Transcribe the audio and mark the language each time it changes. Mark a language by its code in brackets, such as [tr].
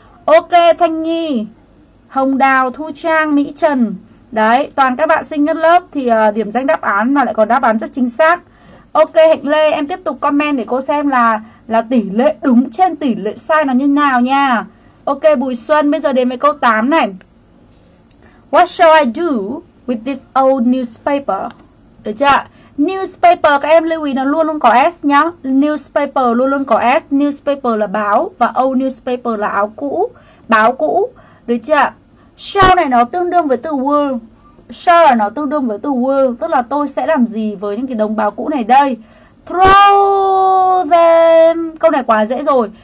[vi] Ok, Thanh Nhi, Hồng Đào, Thu Trang, Mỹ Trần. Đấy, toàn các bạn sinh nhất lớp thì điểm danh đáp án mà lại còn đáp án rất chính xác. Ok, Hạnh Lê, em tiếp tục comment để cô xem là tỷ lệ đúng trên tỷ lệ sai là như nào nha. Ok, Bùi Xuân, bây giờ đến với câu 8 này. [en] What shall I do with this old newspaper? [vi] Được chưa? Newspaper, các em lưu ý nó luôn luôn có S nhá. Newspaper luôn luôn có S. Newspaper là báo và old newspaper là áo cũ, báo cũ. Được chưa? Shall này nó tương đương với từ will. Shall là nó tương đương với từ will. Tức là tôi sẽ làm gì với những cái đồng báo cũ này đây? [en] Throw them. [vi] Câu này quá dễ rồi.